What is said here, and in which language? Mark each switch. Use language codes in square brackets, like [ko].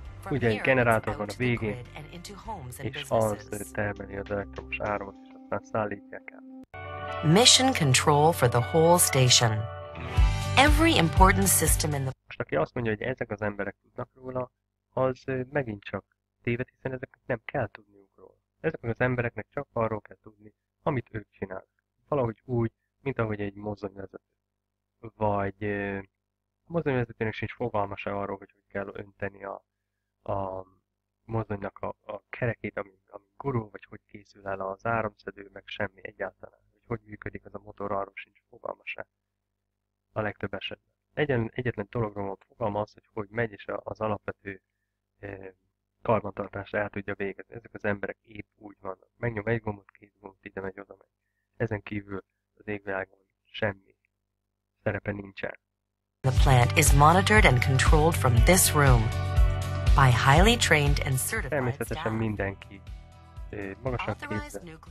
[hu] Ugye egy generátor van a végén, és az termeli az elektromos áramot, és aztán szállítják el. [en] Mission control for the whole station. Every important system in the... [hu] Most aki azt mondja, hogy ezek az emberek tudnak róla, az megint csak téved, hiszen ezeknek nem kell tudniuk róla. Ezeknek az embereknek csak arról kell tudni, amit ők csinálnak. Valahogy úgy, mint ahogy egy mozdonyvezető. Vagy a mozdonyvezetőnek sincs fogalma se arról, hogy hogy kell önteni a mozdonynak a kerekét, ami gurul, vagy hogy készül el az áramszedő, meg semmi egyáltalán. Hogy működik az a motor, arról sincs fogalma se. A legtöbb esetben. Egyetlen dologról van fogalma az, hogy megy, és az alapvető karbantartást el tudja végezni. Ezek az emberek épp úgy vannak. Megnyom egy gombot, két gombot, ide megy, oda megy. Ezen kívül az égvilágon semmi szerepe nincsen. [en] The plant is monitored and controlled from this room. By highly trained and certified staff. [hu] Természetesen mindenki magasan képzett.